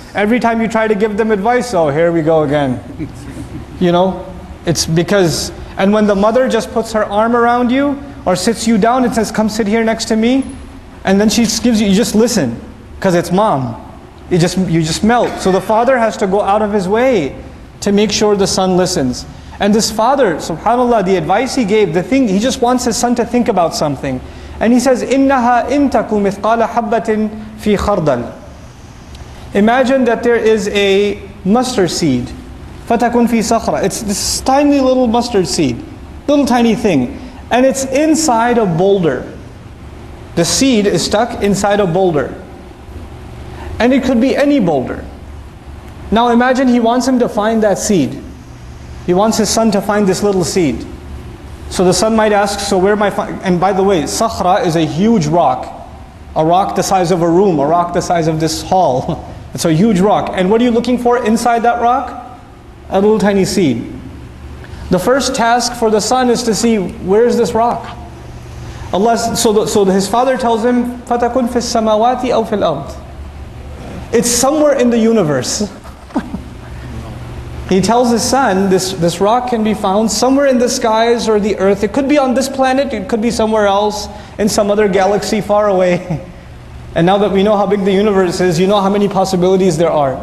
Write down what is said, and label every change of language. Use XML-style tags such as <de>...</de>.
<en>Every time you try to give them advice, oh, here we go again. You know, it's because, and when the mother just puts her arm around you or sits you down and says, come sit here next to me. And then she gives you, you just listen, because it's mom. You just melt. So the father has to go out of his way to make sure the son listens. And this father, subhanAllah, the advice he gave, the thing, he just wants his son to think about something. And he says,</en> <ar>إِنَّهَا إِن تَكُ مِثْقَالَ حَبَّةٍ فِي خَرْدَلٍ.</ar> <en>Imagine that there is a mustard seed.</en> <ar>فَتَكُن فِي صَخْرَةٍ.</ar> <en>It's this tiny little mustard seed, little tiny thing. And it's inside a boulder. The seed is stuck inside a boulder. And it could be any boulder. Now imagine he wants him to find that seed. He wants his son to find this little seed. So the son might ask, so where am I find? And by the way, sakhra is a huge rock. A rock the size of a room, a rock the size of this hall. It's a huge rock. And what are you looking for inside that rock? A little tiny seed. The first task for the son is to see, where is this rock? So his father tells him,</en> <ar>فَتَكُنْ فِي السَّمَاوَاتِ أَوْ فِي الْأَرْضِ.</ar> <en>It's somewhere in the universe. He tells his son, this rock can be found somewhere in the skies or the earth. It could be on this planet, it could be somewhere else, in some other galaxy far away. And now that we know how big the universe is, you know how many possibilities there are.</en>